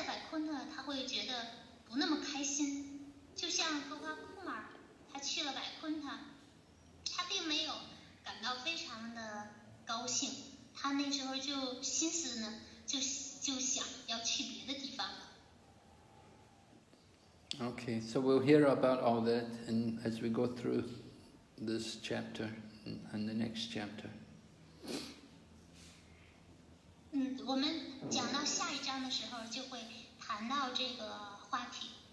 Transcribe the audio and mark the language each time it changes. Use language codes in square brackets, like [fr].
[zh] 坤特他会觉得不那么开心，就像格瓜库玛他去了百坤特，他并没有感到非常的高兴，他那时候就心思呢就想要去别的地方了。 [en] Okay, so we'll hear about all that and as we go through this chapter and the next chapter. [zh] 我们讲到下一章的时候就会谈到这个话题。